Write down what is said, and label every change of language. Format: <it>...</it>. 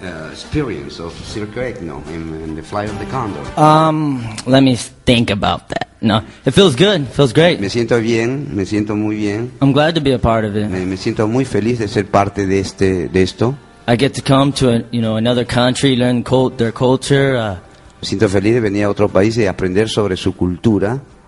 <en>experience of Circo Egno in the Flight of the Condor. Let me think about that. No, it feels good. It feels great.</en> <es>Me siento bien, me siento muy bien.</es> <en>I'm glad to be a part of it.</en> <es>Me siento muy feliz de ser parte de este de esto.</es> <en>I get to come to another country, learn their culture.</en> <es>Me siento feliz de venir a otro país y aprender sobre su cultura.</es>